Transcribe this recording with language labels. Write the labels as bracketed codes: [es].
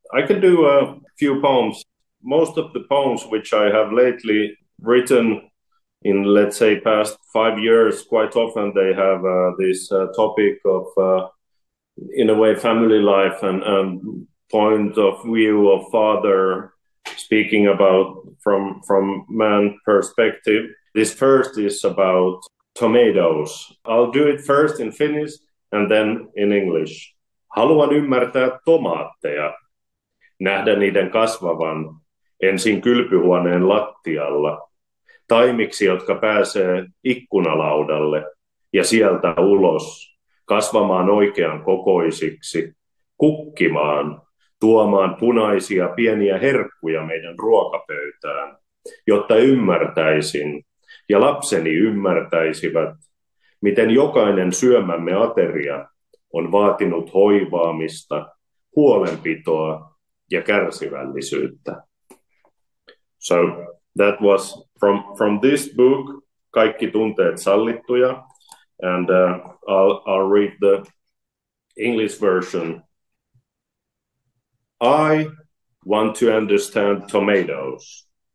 [en] I can do a few poems. Most of the poems which I have lately written in, let's say, past 5 years, quite often they have this topic of, in a way, family life and point of view of father, speaking about from man perspective. This first is about tomatoes. I'll do it first in Finnish and then in English. [fi] Haluan ymmärtää tomaatteja, nähdä niiden kasvavan ensin kylpyhuoneen lattialla, taimiksi, jotka pääsee ikkunalaudalle ja sieltä ulos kasvamaan oikean kokoisiksi, kukkimaan, tuomaan punaisia pieniä herkkuja meidän ruokapöytään, jotta ymmärtäisin ja lapseni ymmärtäisivät, miten jokainen syömämme ateria on vaatinut hoivaamista, huolenpitoa ja kärsivällisyyttä. [en] So that was from this book, Kaikki tunteet sallittuja, and I'll read the English version. I want to understand tomatoes.